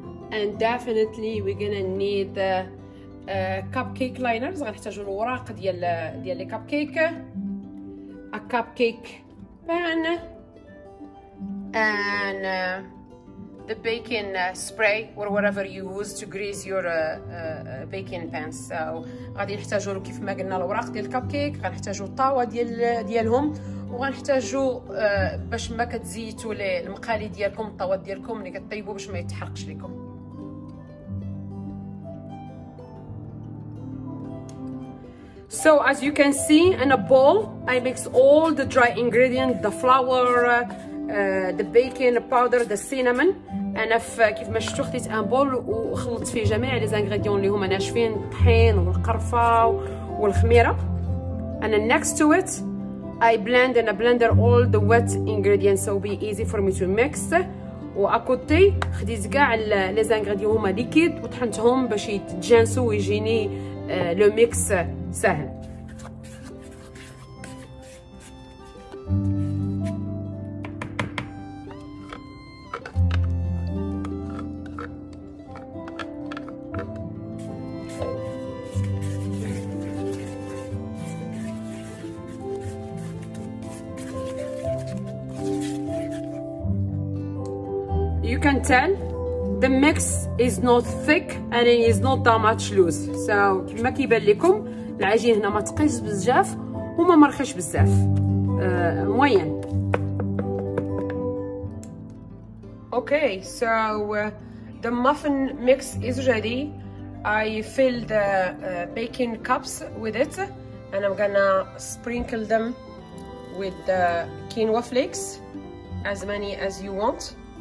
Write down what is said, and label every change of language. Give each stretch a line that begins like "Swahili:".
English: And definitely we're gonna need the cupcake liners.
Arabic: غنحتاجو الوراق ديال لي كابكيك.
English: A cupcake pan and the baking spray or whatever you use to grease your baking pan.
Arabic: So غادي نحتاجو كيف ما قلنا الوراق ديال الكابكيك. غنحتاجو الطاوة ديالهم وغنحتاجو باش ما كتزيتو المقالي ديالكم الطاوة ديالكم اللي كطيبو باش ما يتحرقش لكم.
English: So as you can see in a bowl, I mix all the dry ingredients, the flour, the baking powder, the cinnamon.
Arabic: أنا كيف ما شفتو خديت ان بول وخلطت فيه جميع لي زانغريديون اللي هما ناشفين الطحين والقرفة والخميرة.
English: And then next to it, I blend in a blender all the wet ingredients so it'll be easy for me to mix.
Arabic: وأكوتي خديت كاع لي زانغريديون هما ليكيد وطحنتهم باش يتجانسوا ويجيني لو ميكس سهل.
English: You can tell the mix is not thick and it is not that much loose.
Arabic: So كما كيبان لكم العجين هنا ما تقيش بزاف وما مرخش بزاف موين.
English: Okay, so the muffin mix is ready. I fill the baking cups with it and I'm gonna sprinkle them with the quinoa flakes, as many as you want.